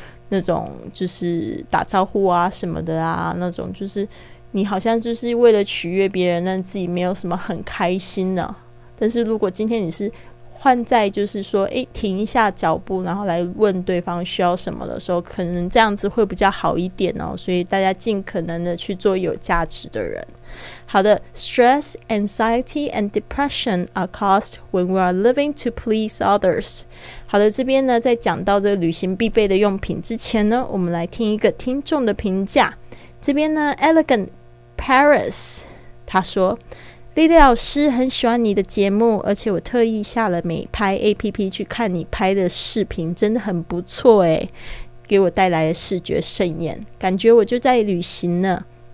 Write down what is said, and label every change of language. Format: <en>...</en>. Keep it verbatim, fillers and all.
<zh>那种就是打招呼啊什么的啊，那种就是你好像就是为了取悦别人，但自己没有什么很开心的、啊、但是如果今天你是换在就是说诶停一下脚步，然后来问对方需要什么的时候，可能这样子会比较好一点哦，所以大家尽可能的去做有价值的人。</zh> <en>好的 Stress, anxiety and depression are caused when we are living to please others。</en> <zh>好的，这边呢在讲到这个旅行必备的用品之前呢，我们来听一个听众的评价。这边呢 Elegant Paris 他说，莉莉老师很喜欢你的节目，而且我特意下了美拍 A P P 去看你拍的视频，真的很不错耶，给我带来了视觉盛宴，感觉我就在旅行呢，</zh>